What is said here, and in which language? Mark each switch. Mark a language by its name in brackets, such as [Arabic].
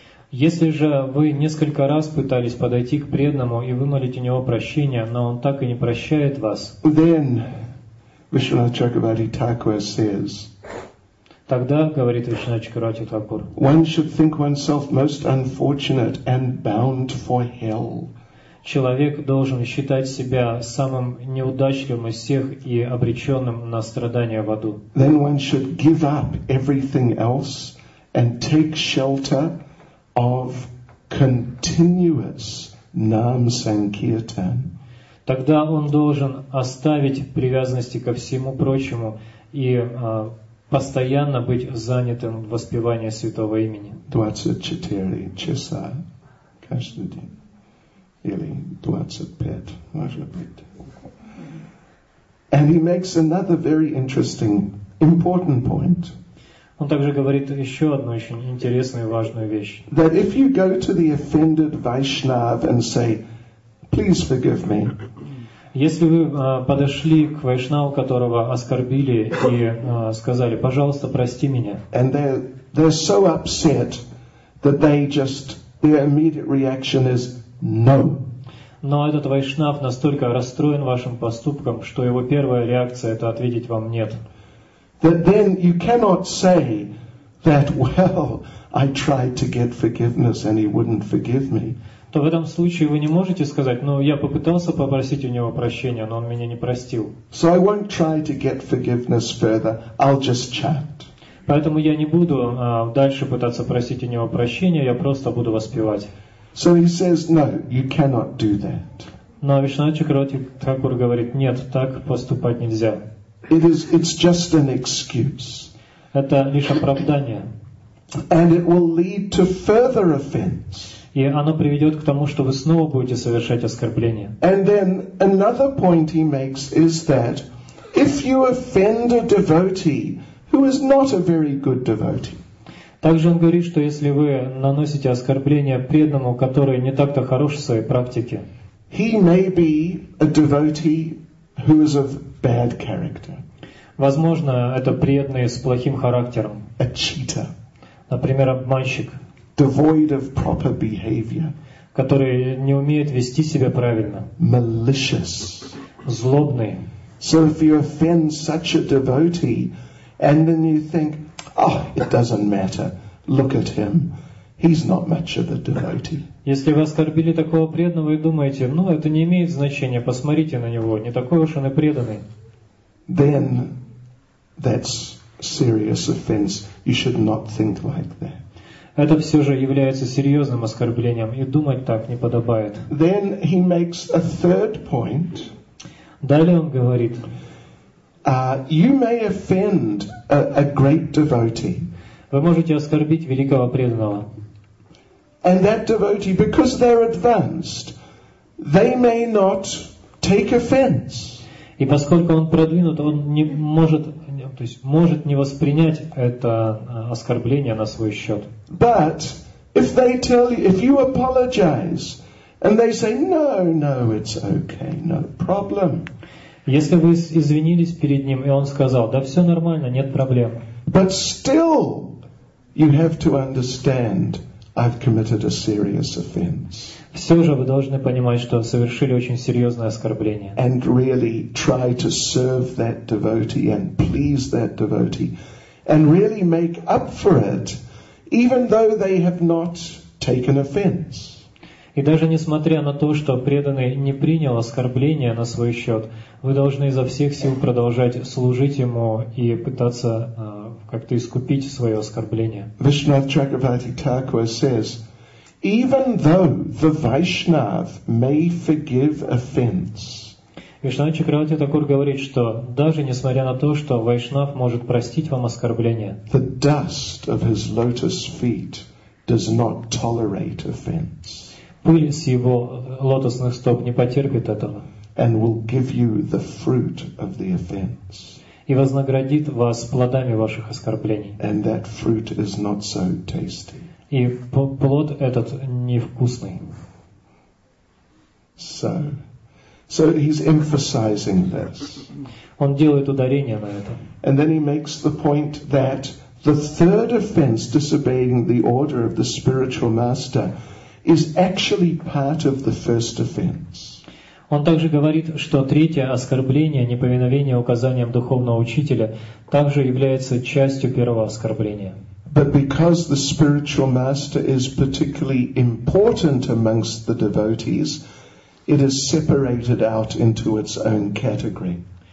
[Russian] Если же вы несколько раз пытались подойти к преданному и вымолить у него прощения, но он так и не прощает вас, [English] then, Vishwanath Chakravarti Thakur says, [Russian] тогда, говорит Вишванат Чакраварти Такур, [English] one should think oneself most unfortunate and bound for hell. [Russian] Человек должен считать себя самым неудачливым из всех и обреченным на страдания в аду. [English] Then one should give up everything else and take shelter of continuous nam sankirtan. [Russian] Тогда он должен оставить привязанности ко всему прочему и постоянно быть занятым в воспевании святого имени. 24 часа каждый день или 25, может быть. [English] And he makes another very interesting, important point. [Russian] Он также говорит еще одну очень интересную и важную вещь. [English] That if you go to the offended Vaishnav and say, please forgive me. [Russian] Если вы подошли к вайшнаву, которого оскорбили, и сказали: «Пожалуйста, прости меня». [English] And they're so upset that they just, their immediate reaction is no. [Russian] Но этот вайшнав настолько расстроен вашим поступком, что его первая реакция — это ответить вам «нет». [English] That then you cannot say that, well, I tried to get forgiveness and he wouldn't forgive me. [Russian] То в этом случае вы не можете сказать: «Ну, я попытался попросить у него прощения, но он меня не простил». [English] So I won't try to get forgiveness further. I'll just chant. [Russian] Поэтому я не буду дальше пытаться просить у него прощения, я просто буду воспевать. [English] So he says, no, you cannot do that. [Russian] Но Вишнава Чакравартитхакура говорит: нет, так поступать нельзя. [English] It's just an excuse. [Russian] Это лишь оправдание. [English] And it will lead to further offense. [Russian] И оно приведет к тому, что вы снова будете совершать оскорбление. [English] And then another point he makes is that if you offend a devotee who is not a very good devotee. [Russian] Также он говорит, что если вы наносите оскорбление преданному, который не так-то хорош в своей практике, [English] he may be a devotee who is of bad character. [Russian] Возможно, это преданный с плохим характером. [English] A cheater. [Russian] Например, обманщик. [English] Devoid of proper behavior, [Russian] который не умеет вести себя правильно, [English] malicious, [Russian] злобный. [English] So if you offend such a devotee, and then you think, oh, it doesn't matter, look at him, he's not much of a devotee. [Russian] Если вы оскорбили такого преданного и думаете: ну, это не имеет значения, посмотрите на него, не такой уж он и преданный. [English] Then that's serious offense. You should not think like that. [Russian] Это все же является серьезным оскорблением, и думать так не подобает. [English] Then he makes a third point. [Russian] Далее он говорит: [English] you may offend a great devotee. [Russian] Вы можете оскорбить великого преданного. [English] And that devotee, because they're advanced, they may not take offense. [Russian] И поскольку он продвинут, он не может, то есть может не воспринять это оскорбление на свой счет. [English] But if they tell you, if you apologize, and they say, no, no, it's okay, no problem. [Russian] Если вы извинились перед ним, и он сказал: да, все нормально, нет проблем. [English] But still, you have to understand, I've committed a serious offense. [Russian] Все же вы должны понимать, что совершили очень серьезное оскорбление. [English] And really try to serve that devotee and please that devotee, and really make up for it, even though they have not taken offense. [Russian] И даже несмотря на то, что преданный не принял оскорбление на свой счет, вы должны изо всех сил продолжать служить ему и пытаться как-то искупить свое оскорбление. [English] Vishnath Chakravarti Thakur says, even though the Vaishnav may forgive offense. [Russian] Вишнава Чакравартитхакура такой говорит, что даже несмотря на то, что вайшнав может простить вам оскорбление, [English] the dust of his lotus feet does not tolerate offense. [Russian] Пыль с его лотосных стоп не потерпит этого. [English] And will give you the fruit of the offense. [Russian] И вознаградит вас плодами ваших оскорблений. [English] And that fruit is not so tasty. [Russian] И плод этот невкусный. [English] So he's emphasizing this. [Russian] Он делает ударение на этом. [English] And then he makes the point that the third offense, disobeying the order of the spiritual master, is actually part of the first offense. [Russian] Он также говорит, что третье оскорбление, неповиновение указаниям духовного учителя, также является частью первого оскорбления. [English] But because the spiritual master is particularly important amongst the devotees, it is separated out into its own category.